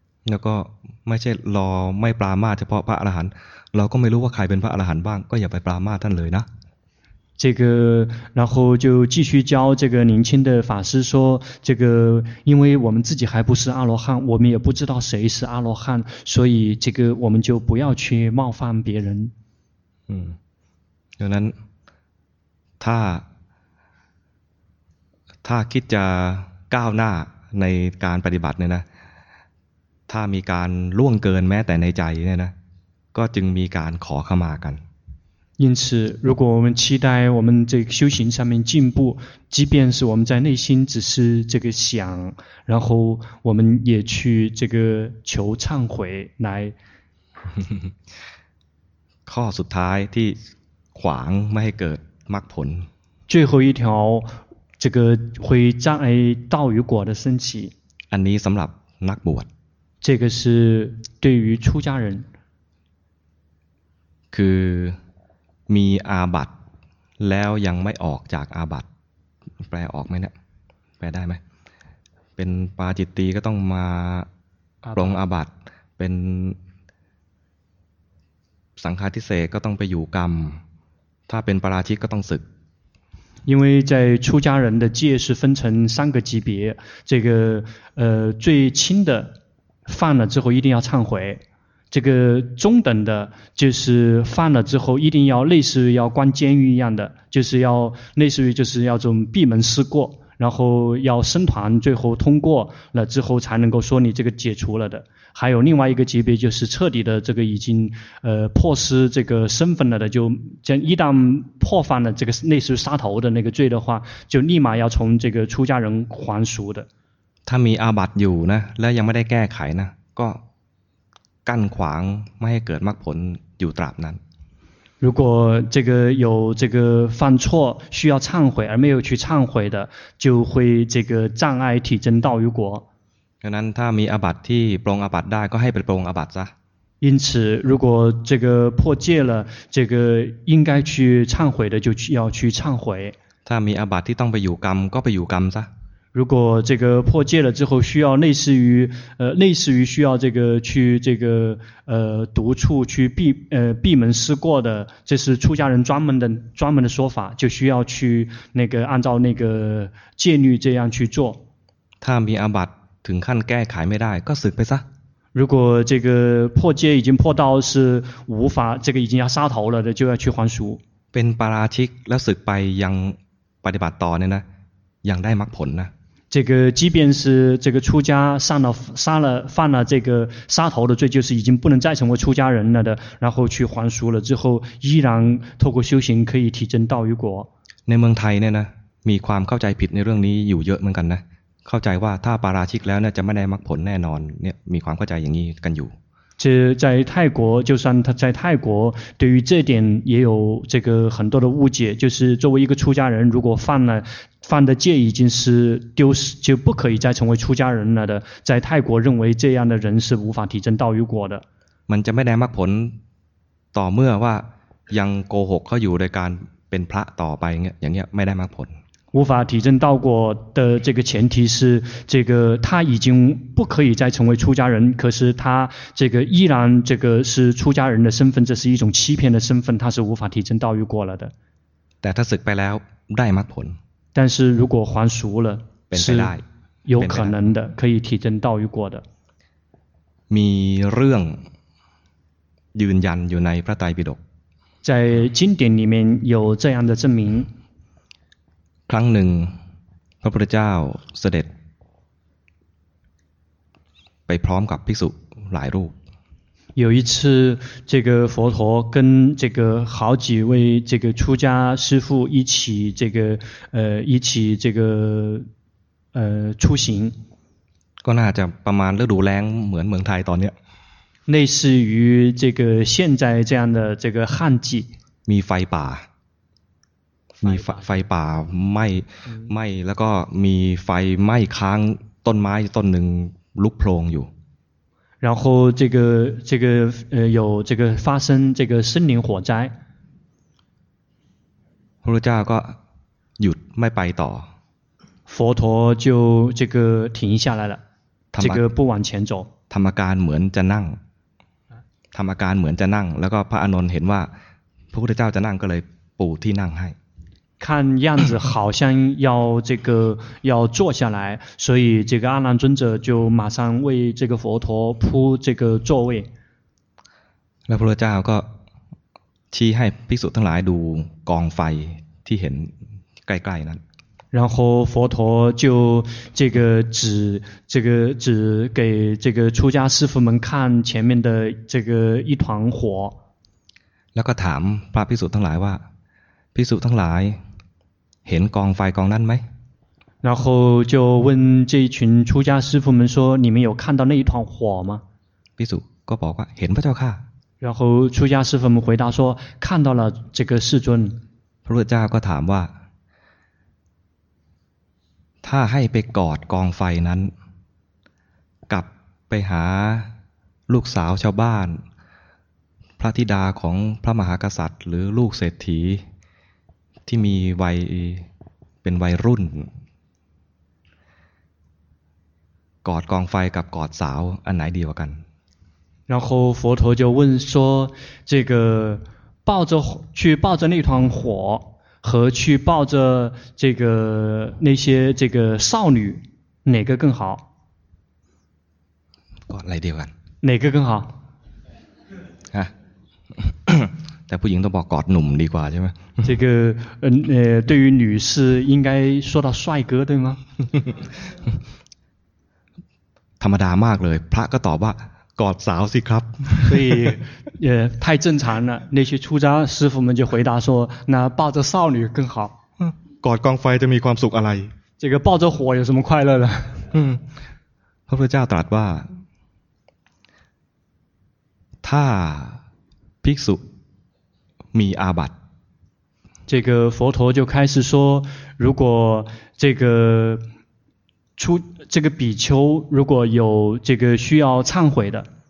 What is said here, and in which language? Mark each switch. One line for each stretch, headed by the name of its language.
Thai: แล้วก็ไม่ใช่รอไม่ปรามาเฉพาะพระอรหันต์เราก็ไม่รู้ว่าใครเป็นพระอรหันต์บ้างก็อย่าไปปรามาท่านเลยนะ
Chinese: 这个然后就继续教这个年轻的法师说，这个因为我们自己还不是阿罗汉，我们也不知道谁是阿罗汉，所以这个我们就不要去冒犯别人。嗯，有人他
Thai: คิดจะก้าวหน้าในการปฏิบัติเนี่ยนะถ้ามีการล่วงเกินแม้แต่ในใจเนี่ยนะก็จึงมีการขอเข้ามากัน
Chinese: 因此如果我们期待我们这个修行上面进步，即便是我们在内心只是这个想，然后我们也去这个求忏悔来
Thai: ข้อสุดท้ายที่ขวางไม่ให้เกิดมรรคผล
Chinese: 最后一条这个会障碍道与果的升起
Thai: อันนี้สำหรับนักบวช
Chinese: 这个是对于出家人
Thai: คือมีอาบัติแล้วยังไม่ออกจากอาบัติแปลออกไหมเนี่ยแปลได้ไหมเป็นปาจิตตีก็ต้องมาปรงอาบัติเป็นสังฆาทิเศษก็ต้องไปอยู่กรรมถ้าเป็นปราชิกก็ต้องศึก
Chinese: 因为在出家人的戒是分成三个级别这个最轻的犯了之后一定要忏悔这个中等的就是犯了之后一定要类似于要关监狱一样的就是要类似于就是要这种闭门思过然后要僧团最后通过了之后才能够说你这个解除了的还有另外一个级别就是彻底的这个已经破失这个身份了的就一旦破犯了这个类似于杀头的那个罪的话就立马要从这个出家人还俗的
Thai: 他มีอาบัติอยู่นะและยังไม่ได้แก้ไขนะก็กั้นขวางไม่ให้เกิดมรรคผลอยู่ตราบนั้น
Chinese: 如果这个有这个犯错需要忏悔而没有去忏悔的就会这个障碍体证道与果
Thai: ฉะนั้นถ้ามีอาบัติที่ปรงอาบัติได้ก็ให้ไปปรงอาบัติซะ
Chinese: 因此如果这个破戒了这个应该去忏悔的就要去忏悔
Thai: ถ้ามีอาบัติที่ต้องไปอยู่กรรมก็ไปอยู่กรรมซะ
Chinese: 如果这个破戒了之后需要类似于类似于需要这个去这个独处去闭门思过的这是出家人专门的说法就需要去那个按照那个戒律这样去做
Thai: ถ้ามีอาบัติถึงขั้นแก้ไขไม่ได้ก็สึกไปซะ
Chinese: 如果这个破戒已经破到是无法这个已经要杀头了的就要去还俗
Thai: เป็นปาราชิกแล้วสึกไปยังปฏิบัติต่อเนี่ยนะยังได้มรรคผลนะ
Chinese: 这个即便是这个出家上了杀了犯了这个杀头的罪就是已经不能再成为出家人了的然后去还俗了之后依然透过修行可以提升道与果
Thai: ในเมืองไทยเนี่ยนะมีความเข้าใจผิดในเรื่องนี้อยู่เยอะเหมือนกันนะเข้าใจว่าถ้าปาราชิกแล้วเนี่ยจะไม่ได้มรรคผลแน่นอนเนี่ยมีความเข้าใจอย่างนี้กันอยู่
Chinese: 这在泰国，就算他在泰国，对于这点也有这个很多的误解。就是作为一个出家人，如果犯的戒已经是丢失，就不可以再成为出家人了的。在泰国，认为这样的人是无法提证道与果的。
Thai: มันจะไม่ได้มรรคผลต่อเมื่อว่ายังโกหกเขาอยู่โดยการเป็นพระต่อไปอย่างเงี้ยไม่ได้มรรคผล
Chinese: 无法体证道果的这个前提是这个他已经不可以再成为出家人可是他这个依然这个是出家人的身份这是一种欺骗的身份他是无法体证道与果了的
Thai: แต่ถ้าศึกไปแล้วได้มรรคผล
Chinese: 但是如果还俗了是有可能的可以体证道与果的
Thai: มีเรื่องยืนยันอยู่ในพระไตรปิฎก
Chinese: 在经典里面有这样的证明
Thai: ครั้งหนึ่งพระพุทธเจ้าเสด็จไปพร้อมกับภิกษุหลายรูป
Chinese: 有一次这个佛陀跟这个好几位这个出家师父一起这个一起这个出行
Thai: ก็น่าจะประมาณฤดูแล้งเหมือนเมืองไทยตอนเนี้ย
Chinese: 类似于这个现在这样的这个旱季
Thai: มีไฟป่า มีไฟป่าไหม้ไหม้แล้วก็มีไฟไหม้ค้างต้นไม้ต้นหนึ่งลุกโพลงอยู่
Chinese: 然后这个有这个发生这个森林火灾
Thai: พระพุทธเจ้าก็หยุดไม่ไปต่อ
Chinese: 佛陀就这个停下来了这个不往前走
Thai: ธรรมการเหมือนจะนั่งธรรมการเหมือนจะนั่งแล้วก็พระอานนท์เห็นว่าพระพุทธเจ้าจะนั่งก็เลยปูที่นั่งให้
Chinese: 看样子好像要这个要坐下来所以这个阿难尊者就马上为这个佛陀铺这个座位
Thai: แล้วพระพุทธเจ้าก็ชี้ให้ภิกษุทั้งหลายดูกองไฟที่เห็นใกล้ๆนั้น
Chinese: 然后佛陀就这个指这个指给这个出家师父们看前面的这个一团火
Thai: แล้วก็ถามพระภิกษุทั้งหลายว่าภิกษุทั้งหลายเห็นกองไฟกองนั้นไหม
Chinese: 然后就问这群出家师父们说你们有看到那一团火吗
Thai: ภิกษุก็บอกว่าเห็นพระเจ้าค่ะ
Chinese: 然后出家师父们回答说看到了这个世尊
Thai: พระพุทธเจ้าก็ถามว่าถ้าให้ไปกอดกองไฟนั้นกลับไปหาลูกสาวชาวบ้านพระธิดาของพระมหากษัตริย์หรือลูกเศรษฐีที่มีวัยเป็นวัยรุ่นกอดกองไฟกับกอดสาวอันไหนดีกว่ากัน
Chinese: 然后佛陀就问说这个抱着去抱着那团火和去抱着这个那些这个少女哪个更好
Thai: กอดอะไรดีกว่า
Chinese: 哪个更好
Thai: แต่ผู้หญิงต้องบอกกอดหนุ่มดีกว่าใช่ไหม
Chinese: 这个对于女士应该说到帅哥对吗
Thai: ธรรมดามากเลยพระก็ตอบว่ากอดสาวสิครับ
Chinese: 所以太正常了那些出家师父们就回答说那抱着少女更好
Thai: กอดกองไฟจะมีความสุขอะไร
Chinese: 这个抱着火有什么快乐呢
Thai: พระพุทธเจ้าตรัสว่าถ้าภิกษุมีอาบัติ
Chinese: 这个佛陀就开始说如果这个出这个比丘如果有这个需要忏悔的